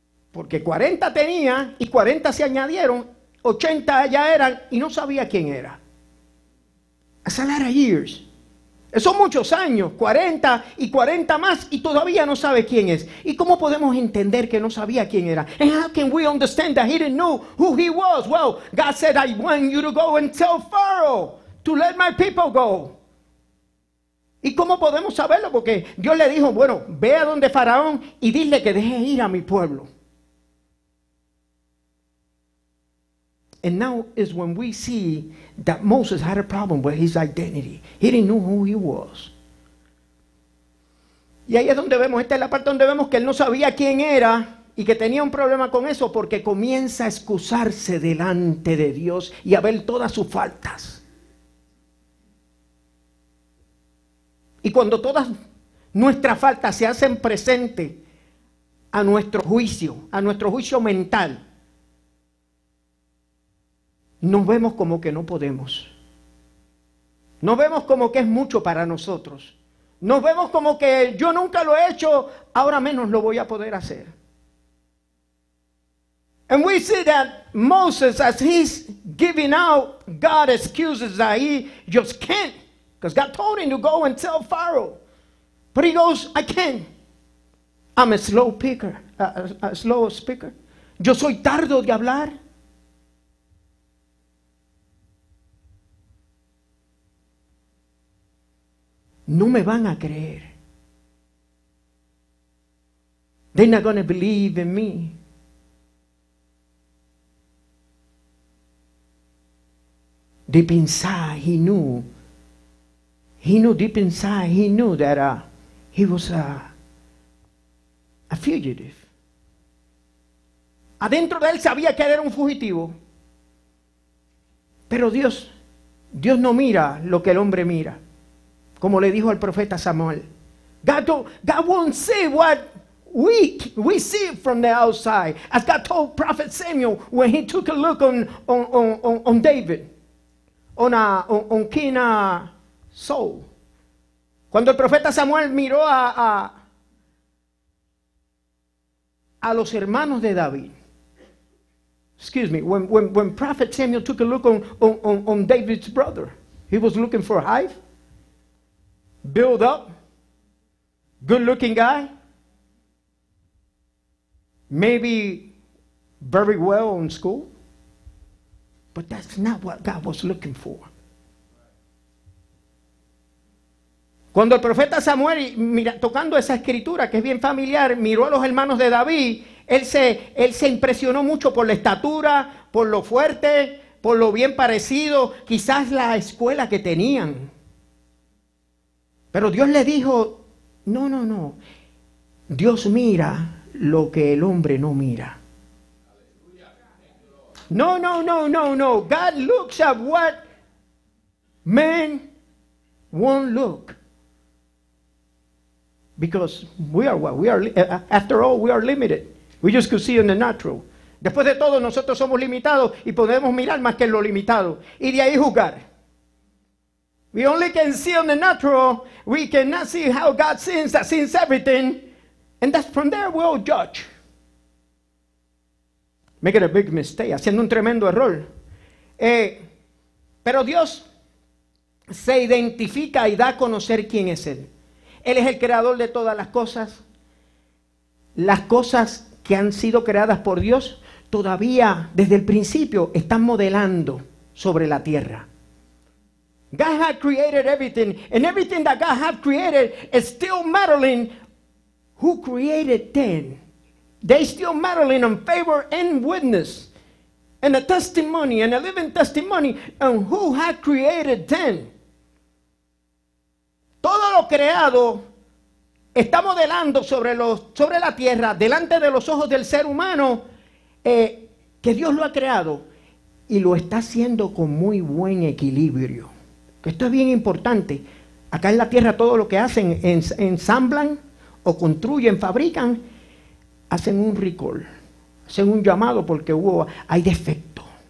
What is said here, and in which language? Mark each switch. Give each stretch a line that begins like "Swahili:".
Spanish: Porque 40 tenía y 40 se añadieron, 80 ya eran y no sabía quién era.
English: That's a lot of years.
Spanish: Son muchos años, 40 y 40 más, y todavía no sabe quién es. ¿Y cómo podemos entender que no sabía quién era?
English: And how can we understand that he didn't know who he was? Well, God said, I want you to go and tell Pharaoh to let my people go.
Spanish: ¿Y cómo podemos saberlo? Porque Dios le dijo, bueno, ve a donde Faraón y dile que deje ir a mi pueblo.
English: And now is when we see that Moses had a problem with his identity. He didn't know who he was.
Spanish: Y ahí es donde vemos, esta es la parte donde vemos que él no sabía quién era y que tenía un problema con eso porque comienza a excusarse delante de Dios y a ver todas sus faltas. Y cuando todas nuestras faltas se hacen presentes a nuestro juicio mental, nos vemos como que no podemos. Nos vemos como que es mucho para nosotros. Nos vemos como que yo nunca lo he hecho, ahora menos lo voy a poder hacer.
English: And we see that Moses, as he's giving out God excuses that he just can't, because God told him to go and tell Pharaoh. But he goes, I can't. I'm a slow picker, a slow speaker.
Spanish: Yo soy tardo de hablar. No me van a creer.
English: They're not going to believe in me. Deep inside, he knew. He knew deep inside, he knew that he was a fugitive.
Spanish: Adentro de él sabía que era un fugitivo. Pero Dios no mira lo que el hombre mira. Como le dijo al profeta Samuel.
English: God won't see what we see from the outside. As God told prophet Samuel when he took a look on David. On King Saul.
Spanish: Cuando el profeta Samuel miró a los hermanos de David.
English: Excuse me. When prophet Samuel took a look on David's brother. He was looking for a hive. Build up, good looking guy, maybe very well in school, but that's not what God was looking for.
Spanish: Cuando el profeta Samuel, mira, tocando esa escritura que es bien familiar, miró a los hermanos de David, él se impresionó mucho por la estatura, por lo fuerte, por lo bien parecido, quizás la escuela que tenían. Pero Dios le dijo, no. Dios mira lo que el hombre no mira.
English: No. God looks at what men won't look. Because we are what? After all, we are limited. We just could see in the natural.
Spanish: Después de todo, nosotros somos limitados y podemos mirar más que lo limitado. Y de ahí juzgar.
English: We only can see on the natural. We cannot see how God sees, that sees everything. And that's from there we'll judge. Making a big mistake.
Spanish: Haciendo un tremendo error. Pero Dios se identifica y da a conocer quién es Él. Él es el creador de todas las cosas. Las cosas que han sido creadas por Dios todavía desde el principio están modelando sobre la tierra.
English: God has created everything, and everything that God has created is still modeling who created them. They still modeling on favor and witness. and a testimony and a living testimony on who had created them.
Spanish: Todo lo creado está modelando sobre, sobre la tierra, delante de los ojos del ser humano, que Dios lo ha creado y lo está haciendo con muy buen equilibrio. Esto es bien importante. Acá en la tierra todo lo que hacen, ensamblan o construyen, fabrican, hacen un recall, hacen un llamado porque hay defecto.